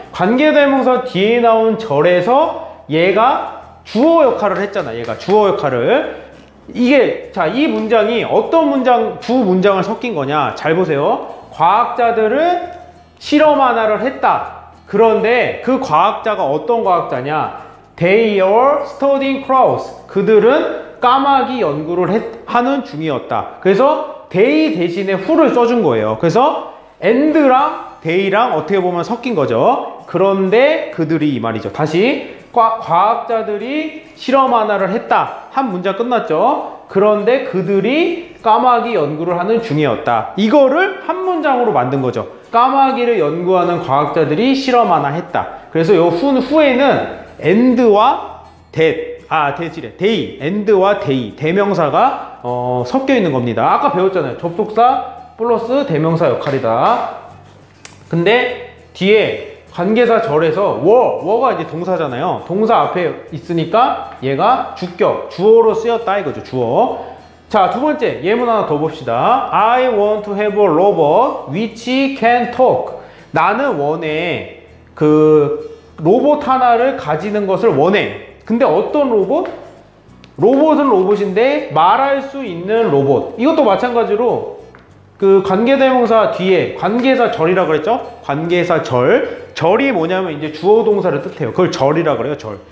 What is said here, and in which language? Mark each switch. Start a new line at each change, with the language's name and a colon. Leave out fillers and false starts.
Korean: 관계대명사 뒤에 나온 절에서 얘가 주어 역할을 했잖아. 얘가 주어 역할을. 이게, 자, 이 문장이 어떤 문장, 두 문장을 섞인 거냐. 잘 보세요. 과학자들은 실험 하나를 했다. 그런데 그 과학자가 어떤 과학자냐?
English: They are studying crows.
Korean: 그들은 까마귀 연구를 하는 중이었다. 그래서 they 대신에 who를 써준 거예요. 그래서 and랑 they랑 어떻게 보면 섞인 거죠. 그런데 그들이 이 말이죠. 다시 과학자들이 실험 하나를 했다. 한 문장 끝났죠. 그런데 그들이 까마귀 연구를 하는 중이었다. 이거를 한 문장으로 만든 거죠. 까마귀를 연구하는 과학자들이 실험 하나 했다. 그래서 요 후에는 and와 that, 아 that이래, they, and와 they, 대명사가 섞여 있는 겁니다. 아까 배웠잖아요. 접속사 플러스 대명사 역할이다. 근데 뒤에 관계사 절에서 were가 이제 동사잖아요. 동사 앞에 있으니까 얘가 주격, 주어로 쓰였다 이거죠. 주어. 자, 두 번째 예문 하나 더 봅시다.
English: I want to have a robot which can talk.
Korean: 나는 원해. 그 로봇 하나를 가지는 것을 원해. 근데 어떤 로봇? 로봇은 로봇인데 말할 수 있는 로봇. 이것도 마찬가지로 그 관계대명사 뒤에 관계사 절이라고 그랬죠? 관계사 절. 절이 뭐냐면 이제 주어 동사를 뜻해요. 그걸 절이라고 그래요. 절.